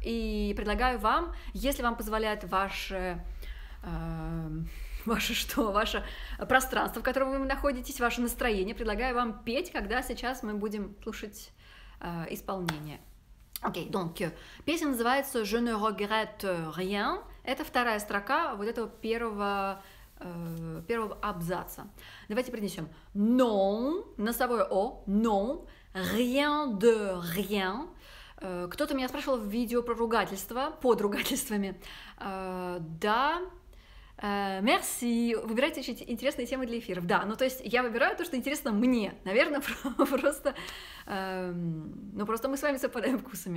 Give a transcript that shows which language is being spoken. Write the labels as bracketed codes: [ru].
[ru] И предлагаю вам, если вам позволяет ваше пространство, в котором вы находитесь, ваше настроение, предлагаю вам петь, когда сейчас мы будем слушать исполнение. Окей, [fr] donc, [ru] песня называется [fr] «Je ne regrette rien». [ru] Это вторая строка вот этого первого первого абзаца. Давайте произнесем. [fr] Non, [ru] носовое о, [fr] non, rien de rien. [ru] Кто-то меня спрашивал в видео про ругательство, под ругательствами. Да, [fr] merci. [ru] Выбирайте очень интересные темы для эфиров. Да, ну то есть я выбираю то, что интересно мне. Наверное, просто... ну просто мы с вами совпадаем вкусами.